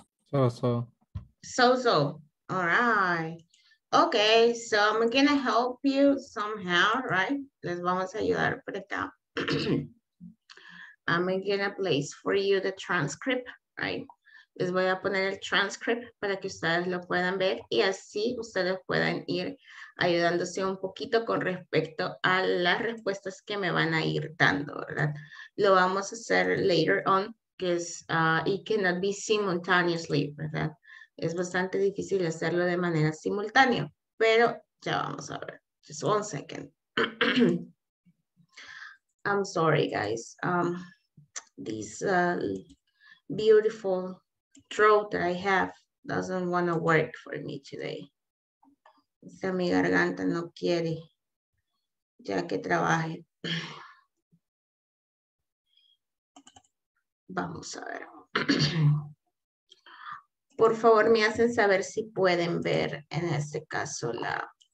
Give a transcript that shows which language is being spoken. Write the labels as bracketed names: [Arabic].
[English] So-so. So-so. All right. Okay, so I'm gonna help you somehow, right? [Spanish] Les vamos a ayudar por acá. [English] I'm gonna place for you the transcript, right? [Spanish] Les voy a poner el transcript para que ustedes lo puedan ver y así ustedes puedan ir ayudándose un poquito con respecto a las respuestas que me van a ir dando, ¿verdad? Lo vamos a hacer [English] later on, [Spanish] que es [English] it cannot be simultaneously, [Spanish] ¿verdad? Es bastante difícil hacerlo de manera simultánea, pero ya vamos a ver. [English] Just one second. I'm sorry, guys. This beautiful throat that I have doesn't want to work for me today. [Spanish] Esta mi garganta no quiere ya que trabaje. Vamos a ver. Por favor, me hacen saber si pueden ver en este caso la...